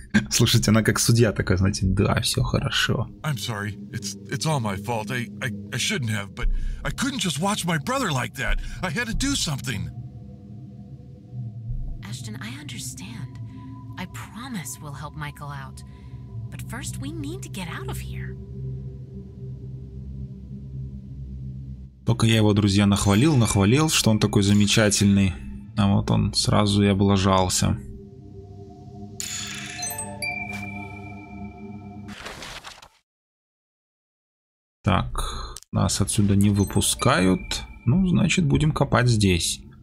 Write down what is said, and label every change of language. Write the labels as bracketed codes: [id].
[ru] Слушайте, она как судья такая, знаете, да, все хорошо. [en] I'm sorry. It's all my fault. I shouldn't have, but I couldn't just watch my brother like that. I had to do something. Эштон, I understand. I promise we'll help Michael out. But first we need to get out of here. [ru] Только я его, друзья, нахвалил, что он такой замечательный. А вот он сразу и облажался. Так, нас отсюда не выпускают. Ну, значит, будем копать здесь.